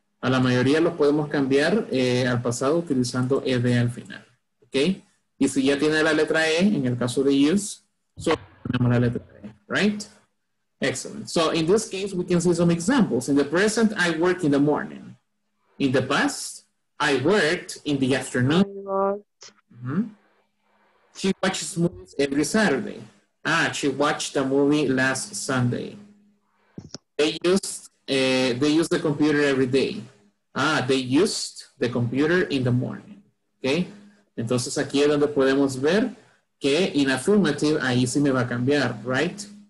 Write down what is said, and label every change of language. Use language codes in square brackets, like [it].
[es] A la mayoría los podemos cambiar al pasado utilizando ed al final. Okay. Y si ya tiene la letra e, en el caso de use, solo tenemos la letra e, right? [en] Excellent. So in this case, we can see some examples. In the present, I work in the morning. In the past, I worked in the afternoon. Mm-hmm. She watches movies every Saturday. Ah, she watched a movie last Sunday. They use the computer every day. Ah, they used the computer in the morning. Okay? [es] Entonces aquí es donde podemos ver que [en] in affirmative, [es] ahí sí me va a cambiar, right?